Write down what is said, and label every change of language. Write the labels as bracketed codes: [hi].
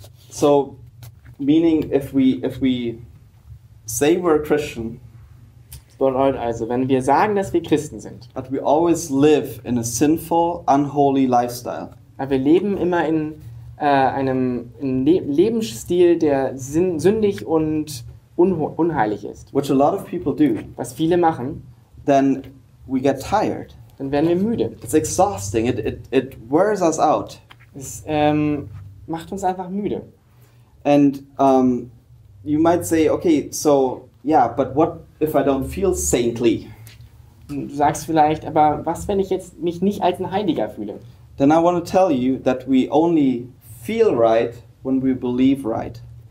[en] So, meaning if we say we're a Christian, [de] das bedeutet also, wenn wir sagen, dass wir Christen sind, [en] but we always live in a sinful, unholy lifestyle. [de] Aber wir leben immer in einem Lebensstil, der sündig und unheilig ist, [en] which a lot of people do, [de] was viele machen, [en] then we get tired, [de] dann werden wir müde. [en] It's exhausting, it wears us out. [de] Es macht uns einfach müde. [en] And you might say, okay, so yeah, but what if I don't feel saintly? [de] Du sagst vielleicht, aber was, wenn ich jetzt mich nicht als ein Heiliger fühle? [en] Then I want to tell you that we only feel right when we believe right.